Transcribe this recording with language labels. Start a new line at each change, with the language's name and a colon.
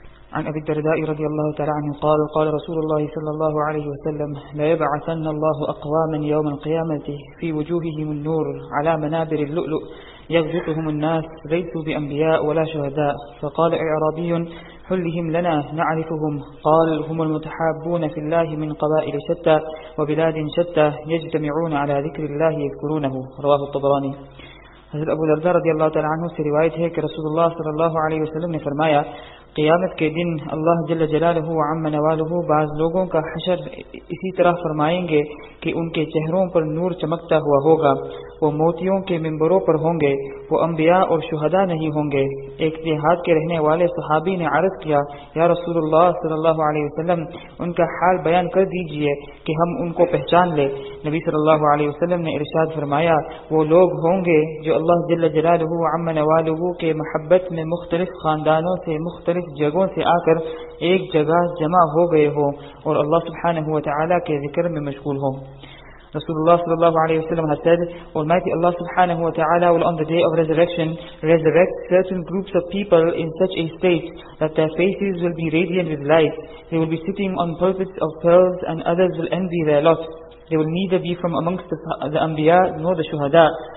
Arabic: عن أبي الدرداء رضي الله تعالى عنه قال قال رسول الله صلى الله عليه وسلم لا يبعثن الله أقواما يوم القيامة في وجوههم النور على منابر اللؤلؤ يغزطهم الناس ليسوا بأنبياء ولا شهداء. فقال إعرابي حلهم لنا نعرفهم. قال هم المتحابون في الله من قبائل شتى وبلاد شتى يجتمعون على ذكر الله يذكرونه. رواه الطبراني.
Urdu: حضرت ابو الدرداء رضی اللہ تعالی عنہ سے روایت ہے کہ رسول اللہ صلی اللہ علیہ وسلم نے فرمایا قیامت کے دن اللہ جل جلالہ و عم نوالہ بعض لوگوں کا حشر اسی طرح فرمائیں گے کہ ان کے چہروں پر نور چمکتا ہوا ہوگا, وہ موتیوں کے ممبروں پر ہوں گے, وہ انبیاء اور شہداء نہیں ہوں گے. ایک دیہات کے رہنے والے صحابی نے عرض کیا یا رسول اللہ صلی اللہ علیہ وسلم ان کا حال بیان کر دیجئے کہ ہم ان کو پہچان لیں. نبی صلی اللہ علیہ وسلم نے ارشاد فرمایا وہ لوگ ہوں گے جو اللہ جل جلالہ عم نوالہ کے محبت میں مختلف خاندانوں سے مختلف جگہوں سے آ کر ایک جگہ جمع ہو گئے ہوں اور اللہ سبحانہ و تعالی کے ذکر میں مشغول ہوں.
English: Rasulullah sallallahu alayhi wa sallam has said, Almighty Allah subhanahu wa ta'ala will on the day of resurrection resurrect certain groups of people in such a state that their faces will be radiant with light. They will be sitting on pulpits of pearls and others will envy their lot. They will neither be from amongst the anbiya nor the shuhada.